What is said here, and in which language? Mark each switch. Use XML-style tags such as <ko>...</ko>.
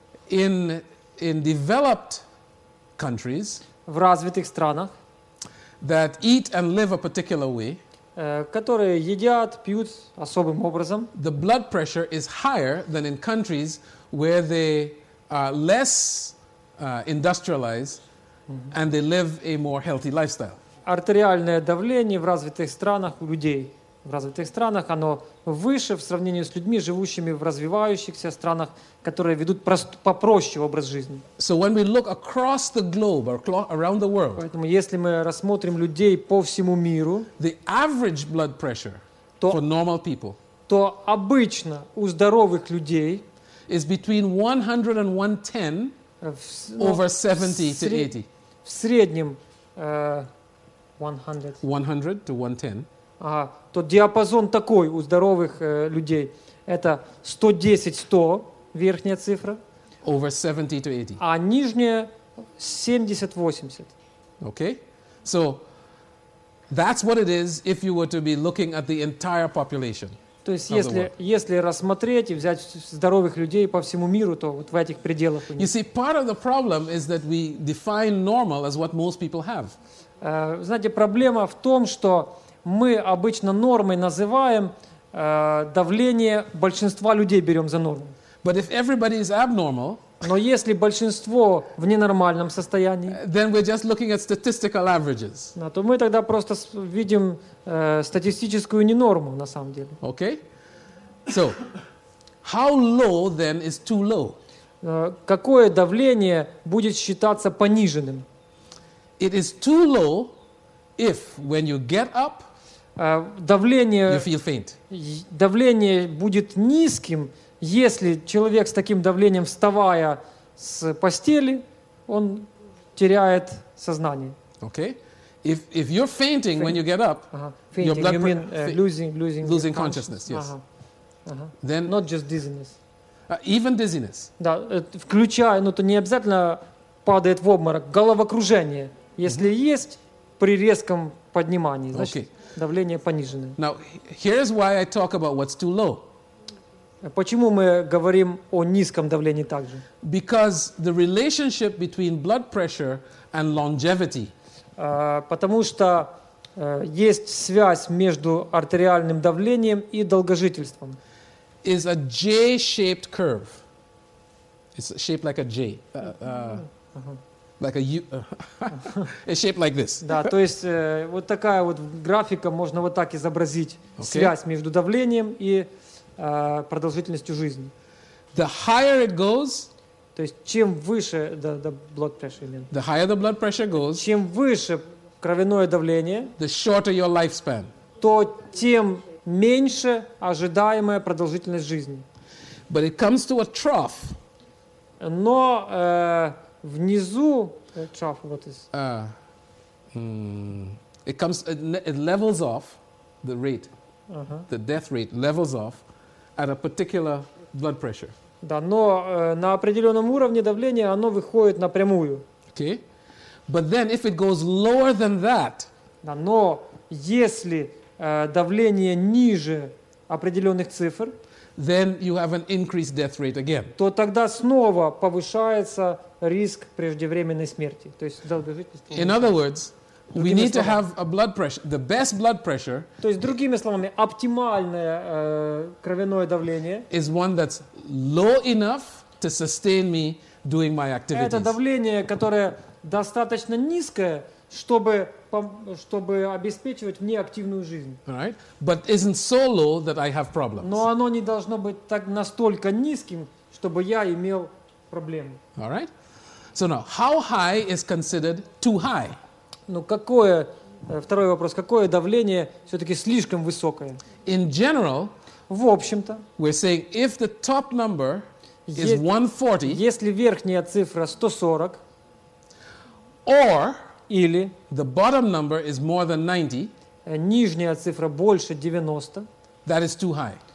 <en>In developed countries,</en> <ru>в развитых странах,</ru> <en>that eat and live a particular way,</en> <ru>которые едят, пьют особым образом,</ru> <en>the blood pressure is higher than in countries where they are less industrialized mm-hmm. and they live a more healthy lifestyle.</en> <ru>Артериальное давление в развитых странах у людей, в развитых странах, оно выше в сравнении с людьми, живущими в развивающихся странах, которые ведут попроще образ жизни.</ru> <en>So when we look across the globe or around the world,</en> <ru>поэтому если мы рассмотрим людей по всему миру,</ru> <en>the average blood pressure for normal people,</en> <ru>то обычно у здоровых людей</ru> <en>is between 100 and 110 over 70 to 80.</en> <ru>В среднем</ru> <en>100 to 110.</en> <ru>Ага, то диапазон такой у здоровых людей. Это 110-100, верхняя цифра.</ru> <en>Over 70 to 80.</en> <ru>А нижняя 70-80.</ru> <en>Okay. So, that's what it is if you were to be looking at the entire population.</en> <ru>То есть, если рассмотреть и взять здоровых людей по всему миру, то вот в этих пределах у них.</ru> <en>You see, part of the problem is that we define normal as what most people have.</en> <ru>Знаете, проблема в том, что мы обычно нормой называем давление большинства людей, берем за норму.</ru> <en>But if everybody is abnormal,</en> <ru>но если большинство в ненормальном состоянии,</ru> <en>then we're just looking at statistical averages.</en> <ru>Ну, то мы тогда просто видим статистическую ненорму на самом деле.</ru> <en>Okay. So, how low then is too low?</en> <ru>Какое давление будет считаться пониженным?</ru> <en>It is too low if when you get up,</en> <ru>Давление,</ru> <en>you feel faint.</en> <ru>Давление будет низким, если человек с таким давлением, вставая с постели, он теряет сознание.</ru> <en>Okay. If you're fainting when you get up, fainting, your blood pressure losing consciousness, yes. Then not just dizziness. Even dizziness.</en> <ru>Да, включая, ну то не обязательно падает в обморок, головокружение, если есть при резком поднимании, значит. Okay. Давление пониженное.</ru> <en>Now, here's why I talk about what's too low.</en> <ru>Почему мы говорим о низком давлении также?</ru> <en>Because the relationship between blood pressure and longevity.</en> <ru>Потому что есть связь между артериальным давлением и долгожительством.</ru> <en>Is a J-shaped curve. It's shaped like a J. Like a U, it's shaped like this.</en> <ru>Да, то есть вот такая вот графика можно вот так изобразить связь между давлением и продолжительностью жизни.</ru> <en>The higher it goes,</en> <ru>то есть чем выше</ru> <en>the blood pressure,</en> <ru>именно.</ru> <en>The higher the blood pressure goes,</en> <ru>чем выше кровяное давление,</ru> <en>the shorter your lifespan,</en> <ru>то тем меньше ожидаемая продолжительность жизни.</ru> <en>But it comes to a trough.</en> <ru>Но внизу</ru> <en>trough, what is? It comes, it levels off the rate, the death rate levels off at a particular blood pressure.</en> <ru>Да, но на определенном уровне давления оно выходит напрямую.</ru> <en>Okay, but then if it goes lower than that.</en> <ru>Да, но если давление ниже определенных цифр.</ru> <en>Then you have an increased death rate again.</en> <ru>То тогда снова повышается риск преждевременной смерти. То есть долгожительность.</ru> <en>In other words, we need to have a blood pressure, the best blood pressure.</en> <ru>То есть другими словами, оптимальное кровяное давление.</ru> <en>Is one that's low enough to sustain me doing my activities.</en> <ru>Это давление, которое достаточно низкое, чтобы обеспечивать мне активную жизнь.</ru> <en>Right. But isn't so low that I have problems.</en> <ru>Но оно не должно быть так настолько низким, чтобы я имел проблемы.</ru> <en>All right. So now, how high is considered too high?</en> <ru>Ну какое, второй вопрос, какое давление все-таки слишком высокое?</ru> <en>In general,</en> <ru>в общем-то,</ru> <en>we're saying if the top number is 140,</en> <ru>если верхняя цифра 140,</ru> <en>or</en> <ru>или</ru> <en>the bottom number is more than 90,</en> <ru>нижняя цифра больше 90,</ru> <en>that is too high.</en>